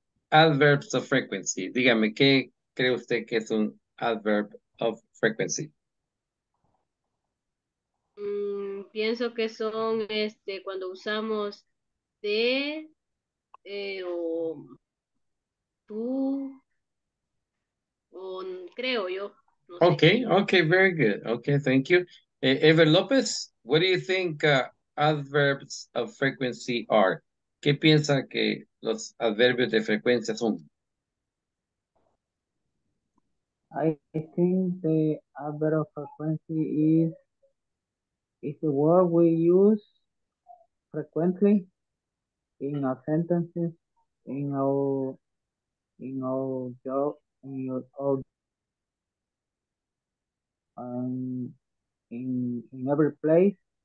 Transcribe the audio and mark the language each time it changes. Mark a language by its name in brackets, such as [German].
[Spanish] Adverbs of frequency. Dígame, ¿qué cree usted que es un adverb of frequency? Pienso que son cuando usamos de o tú o creo yo. No sé. [English] Okay, very good. Okay, thank you. Ever Lopez, what do you think adverbs of frequency are? [Spanish] ¿Qué piensa que los adverbios de frecuencia son? [English] I think the adverb of frequency is the word we use frequently in our sentences, in our job, in every place.